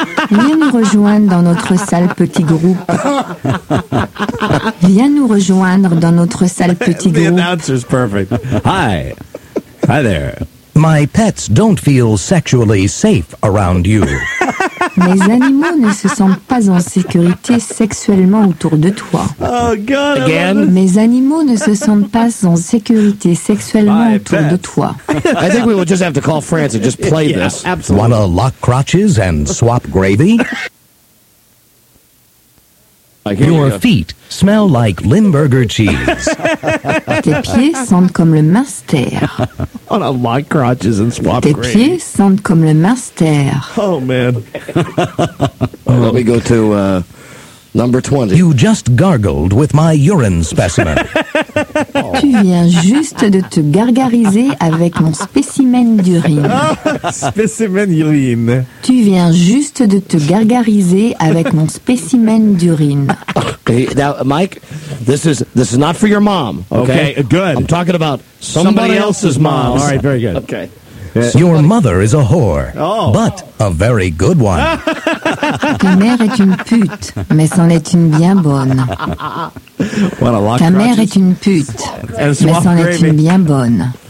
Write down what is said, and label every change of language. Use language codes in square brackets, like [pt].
[fr] Viens nous rejoindre dans notre sale petit groupe. Viens nous rejoindre dans notre sale petit groupe. [en] The announcer's perfect. Hi. Hi there. My pets don't feel sexually safe around you. [fr] Mes animaux ne se sentent pas en sécurité sexuellement autour de toi. [en] Oh, God. Again? [fr] Mes animaux ne se sentent pas en sécurité sexuellement autour de toi. [en] I think we will just have to call France and just play this. Absolutely. Wanna lock crotches and swap gravy? Your feet smell like Limburger cheese. [fr] Tes pieds sentent comme le master. [en] On a lot of crotches and swap [fr] grain. Tes pieds sentent comme le master. [en] Oh, man. Well, let me go to number 20. You just gargled with my urine specimen. [fr] Tu viens juste de te gargariser avec mon spécimen d'urine. Spécimen urine. Tu viens juste de te gargariser avec mon spécimen d'urine. [en] Okay, now, Mike, this is not for your mom. Okay, good. I'm talking about somebody else's mom. All right, very good. Okay. Your mother is a whore, but a very good one. [fr] Ta mère est une pute, mais c'en est une bien bonne. [en] What a lot. [fr] Ta mère est une pute, mais c'en est une bien bonne.